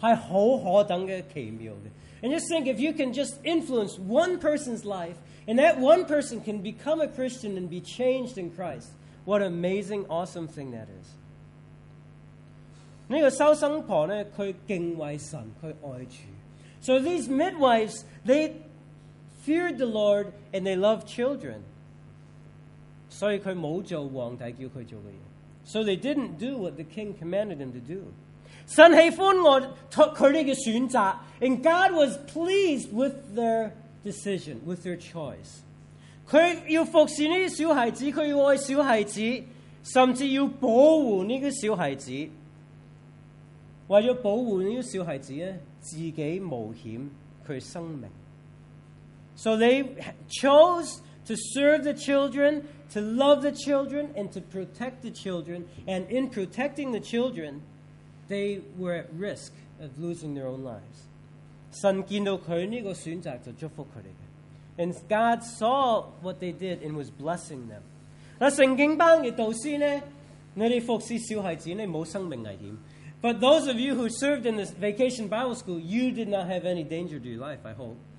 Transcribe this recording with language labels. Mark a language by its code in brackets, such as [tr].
[zh] 你想想影响一个小孩子的生命,是那个小孩子能够在主里面成长,是很可等的奇妙的。 [en] And just think, if you can just influence one person's life, and that one person can become a Christian and be changed in Christ, what an amazing, awesome thing that is. [zh] 那个收生婆呢,她敬畏神,她爱主。 [en] So these midwives, they feared the Lord and they loved children. [zh] 所以她没做皇帝叫她做的事。 [en] So they didn't do what the king commanded them to do. [zh] 神喜欢我,他们的选择, [en] and God was pleased with their decision, with their choice. [zh] 他要服侍这些小孩子,他要爱小孩子, 甚至要保护这些小孩子, 为了保护这些小孩子,自己冒险他的生命。 [en] So they chose to serve the children, to love the children, and to protect the children, and in protecting the children, they were at risk of losing their own lives. [zh] 神见到他这个选择就祝福他们。 [en] And God saw what they did and was blessing them. [zh] 那圣经班的导师呢,你们服侍小孩子,你们没有生命危险。 [en] But those of you who served in this Vacation Bible School, you did not have any danger to your life, I hope.